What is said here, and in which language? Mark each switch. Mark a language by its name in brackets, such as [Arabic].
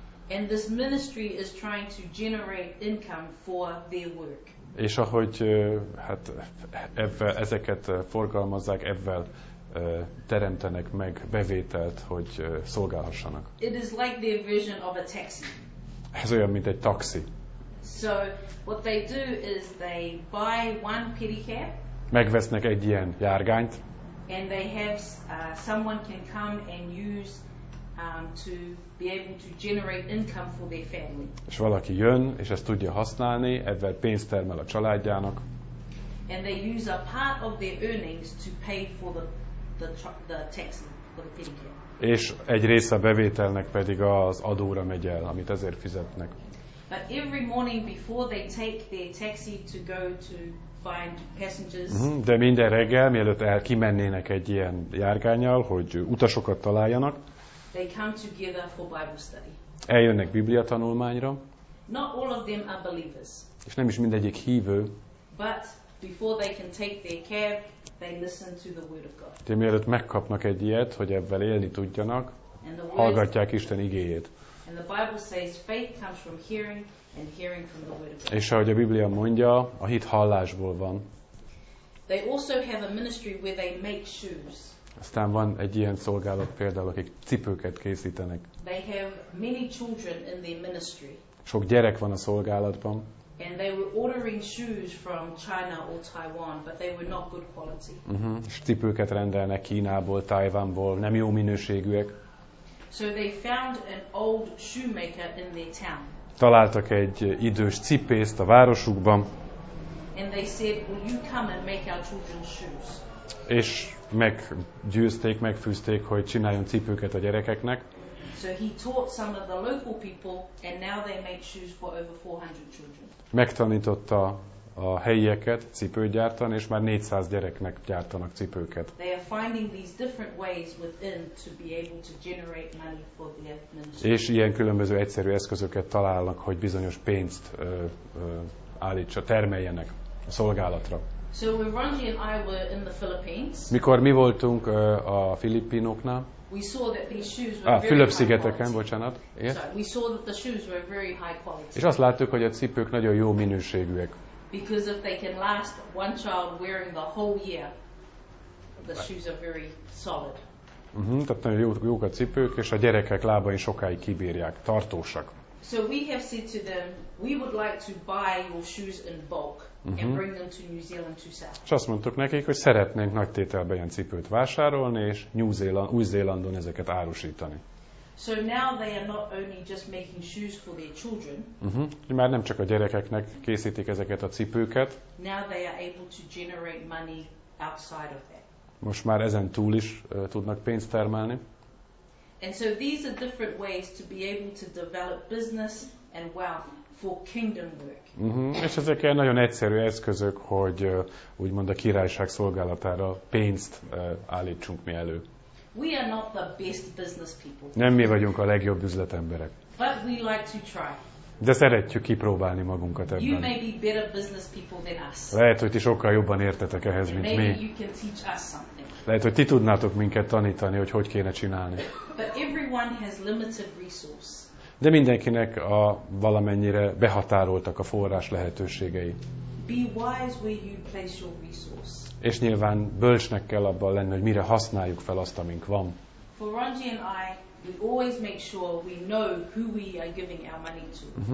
[English] And this ministry is trying to generate income for their work. [Hungarian] És ahogy hát ezeket forgalmazzák, ebben teremtenek meg bevételt, hogy szolgálhassanak. [English] It is like their version of a taxi. [Hungarian] Ez olyan, mint egy taxi. [English] So what they do is they buy one pedicab. [Hungarian] Megvesznek egy ilyen járgányt. [English] And they have someone can come and use to be able to generate income for their family. [Hungarian] És valaki jön és ezt tudja használni, ezzel pénzt termel a családjának. [English] And they use a part of their earnings to pay for the taxi. [Hungarian] És egy része a bevételnek pedig az adóra megy el, amit ezért fizetnek. [English] But every morning before they take their taxi to go to find passengers. [Hungarian] De minden reggel, mielőtt el kimennének egy ilyen járgánnyal, hogy utasokat találjanak. [English] They come together for Bible study. [Hungarian] Eljönnek Biblia tanulmányra. [English] Not all of them are believers. [Hungarian] És nem is mindegyik hívő. [English] But before they can take their cab, they listen to the word of God. [Hungarian] De mielőtt megkapnak egy ilyet, hogy ebben élni tudjanak, hallgatják Isten igéjét. [English] And the Bible says faith comes from hearing and hearing from the word of God. [Hungarian] És ahogy a Biblia mondja, a hit hallásból van. [English] They also have a ministry where they make shoes. [Hungarian] Aztán van egy ilyen szolgálat például, akik cipőket készítenek. [English] They have many children in their ministry. [Hungarian] Sok gyerek van a szolgálatban. [English] And they were ordering shoes from China or Taiwan, but they were not good quality. [Hungarian] És cipőket rendelnek Kínából, Taiwanból, nem jó minőségűek. [English] So they found an old shoemaker in their town. [Hungarian] Találtak egy idős cipészt a városukban. [English] And they said, "Will you come and make our children's shoes?" [Hungarian] És meggyőzték, megfűzték, hogy csináljon cipőket a gyerekeknek. [English] So he taught some of the local people, and now they make shoes for over 400 children. [Hungarian] Megtanította a helyieket cipőt gyártani, és már 400 gyereknek gyártanak cipőket. [English] They are finding these different ways within to be able to generate money for the ministry. [Hungarian] És ilyen különböző egyszerű eszközöket találnak, hogy bizonyos pénzt állítsa, termeljenek a szolgálatra. [English] So when Ranji and I were in the Philippines, [Hungarian] mikor mi voltunk a Filippinoknál, [English] we saw that these shoes were [Hungarian] Fülöp-szigeteken, bocsánat. [English] Yes. So we saw that the shoes were very high quality. [Hungarian] És azt láttuk, hogy a cipők nagyon jó minőségűek. [English] Because if they can last one child wearing the whole year, the shoes are very solid. [Hungarian] Tehát nagyon jók a cipők, és a gyerekek lábai sokáig kibírják, tartósak. [English] So we have said to them, we would like to buy your shoes in bulk and bring them to New Zealand to sell. [Hungarian] És azt mondtuk nekik, hogy szeretnénk nagy tételben ilyen cipőt vásárolni és Új-Zélandon ezeket árusítani. [English] So now they are not only just making shoes for their children. [Hungarian] Már nem csak a gyerekeknek készítik ezeket a cipőket. [English] Now they are able to generate money outside of that. [Hungarian] Most már ezen túl is tudnak pénzt termelni. [English] And so these are different ways to be able to develop business and wealth for kingdom work. [Hungarian] És ezek egy nagyon egyszerű eszközök, hogy úgymond a királyság szolgálatára pénzt állítsunk mi elő. [English] We are not the best business people. [Hungarian] Nem mi vagyunk a legjobb üzletemberek. [English] But we like to try. [Hungarian] De szeretjük kipróbálni magunkat ebben. [English] You may be better business people than us. [Hungarian] Lehet, hogy ti sokkal jobban értetek ehhez, mint [English] maybe [Hungarian] mi. [English] You can teach us something. [Hungarian] Lehet, hogy ti tudnátok minket tanítani, hogy hogy kéne csinálni. [English] But everyone has limited resource. [Hungarian] De mindenkinek a valamennyire behatároltak a forrás lehetőségei. [English] Be wise where you place your resource. [Hungarian] És nyilván bölcsnek kell abban lenni, hogy mire használjuk fel azt, amink van. [English] For Ranji and I, we always make sure we know who we are giving our money to.